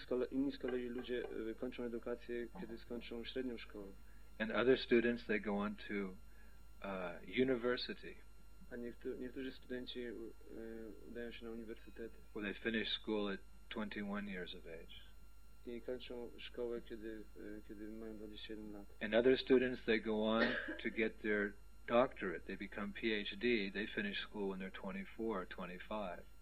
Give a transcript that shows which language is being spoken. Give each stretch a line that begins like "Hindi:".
Polish: Inni z kolei ludzie kończą edukację kiedy skończą średnią szkołę.
English: And other students, they go on to university.
Polish: A niektórzy studenci udają się na uniwersytety.
English: Where they finish school at 21 years of age.
Polish: I kończą szkołę, kiedy mają 27 lat.
English: And other students, they go on to get their doctorate. They become PhD. They finish school when they're 24 or 25.